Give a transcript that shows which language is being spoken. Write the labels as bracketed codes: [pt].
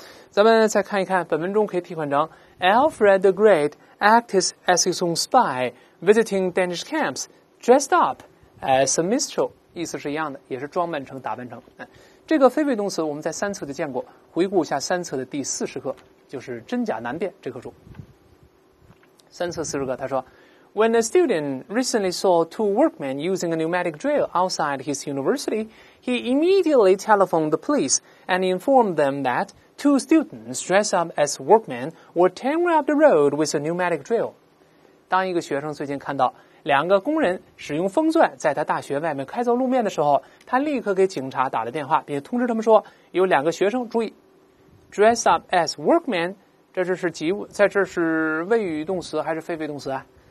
[zh] 咱们再看一看本文中可以替换成 [en] Alfred the Great acted as his own spy visiting Danish camps dressed up as a minstrel， [zh] 意思是一样的，也是装扮成打扮成。这个非谓动词我们在三册就见过，回顾一下三册的第40课，就是真假难辨这棵树。三册四十个，他说 [en] When a student recently saw two workmen using a pneumatic drill outside his university, he immediately telephoned the police and informed them that two students dressed up as workmen were tearing up the road with a pneumatic drill. [zh] 当一个学生最近看到两个工人使用风钻在他大学外面开凿路面的时候，他立刻给警察打了电话，并通知他们说有两个学生，注意 [en] Dress up as workman， [zh] 这只是及物，在这是谓语动词还是非谓动词啊？